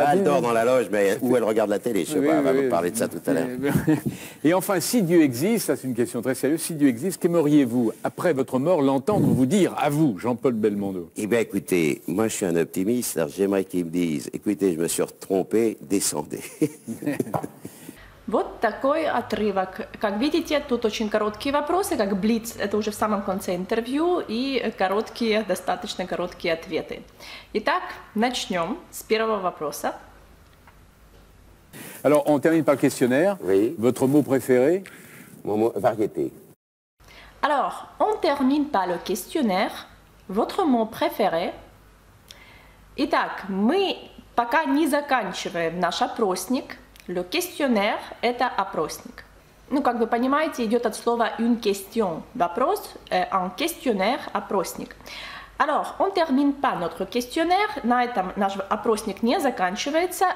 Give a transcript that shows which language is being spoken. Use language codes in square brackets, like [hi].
[fr] Là, elle dort dans la loge, mais où elle regarde la télé, je ne sais pas, elle va vous parler de ça tout à l'heure. Et enfin, si Dieu existe, ça c'est une question très sérieuse, si Dieu existe, qu'aimeriez-vous, après votre mort, l'entendre vous dire, à vous, Jean-Paul Belmondo? Eh bien, écoutez, moi je suis un optimiste, alors j'aimerais qu'ils me disent, écoutez, je me suis trompé, descendez. [ru] Вот такой отрывок. Как видите, тут очень короткие вопросы, как блиц, это уже в самом конце интервью, и короткие, достаточно короткие ответы. Итак, начнем с первого вопроса. [fr] Alors, on termine par questionnaire. Oui. Votre mot préféré? Mon mot variété. Alors, on termine par le questionnaire. Votre mot préféré? [ru] Итак, мы пока не заканчиваем наш опросник. [fr] Le questionnaire [ru] – это опросник. Ну, как вы понимаете, идет от слова [fr] une question [ru] – вопрос, [fr] un questionnaire [ru] – опросник. [fr] Alors, on termine pas notre questionnaire, [ru] на этом наш опросник не заканчивается.